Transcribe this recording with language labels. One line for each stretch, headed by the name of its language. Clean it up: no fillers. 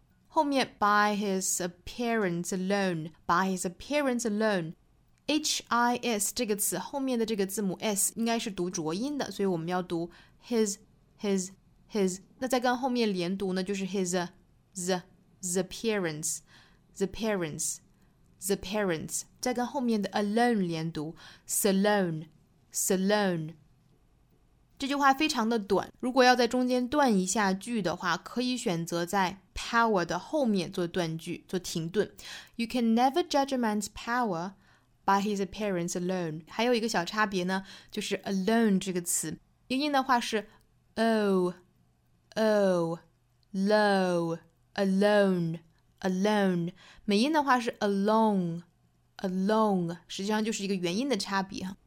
Chinese: 后面
English: by his appearance alone，
Chinese: by his appearance alone， H-I-S 这个词后面的这个字母 S 应该是读浊音的，所以我们要读 his， 那再跟后面连读呢，就是 his appearance， 再跟后面的 alone 连读 salone。这句话非常的短，如果要在中间断一下句的话，可以选择在 power 的后面做断句，做停顿。
English: You can never judge a man's power by his appearance alone.
Chinese: 还有一个小差别呢，就是 alone 这个词，英音的话是 alone， 美音的话是 alone， 实际上就是一个元音的差别。